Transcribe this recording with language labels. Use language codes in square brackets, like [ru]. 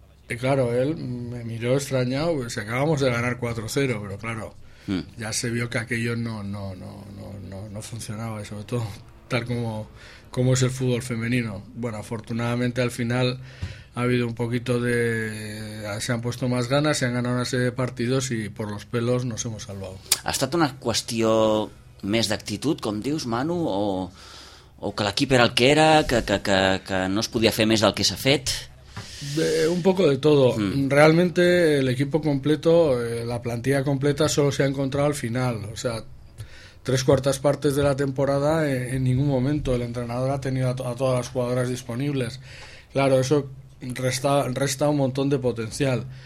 [es] Y claro, él me miró extrañado, pues acabamos de ganar 4-0, pero claro, ya se vio que aquello no funcionaba, y sobre todo tal como es el fútbol femenino. Bueno, afortunadamente al final ha habido un poquito de... se han puesto más ganas, se han ganado una serie de partidos y por los pelos nos hemos salvado. [ca] ¿Ha estat una qüestió més d'actitud, com dius, Manu, o que l'equip era el que era, que no es podia fer més del que s'ha fet? [es] Un poco de todo. Realmente el equipo completo, la plantilla completa, solo se ha encontrado al final. O sea, tres cuartas partes de la temporada en ningún momento el entrenador ha tenido a todas las jugadoras disponibles. Claro, eso resta un montón de potencial.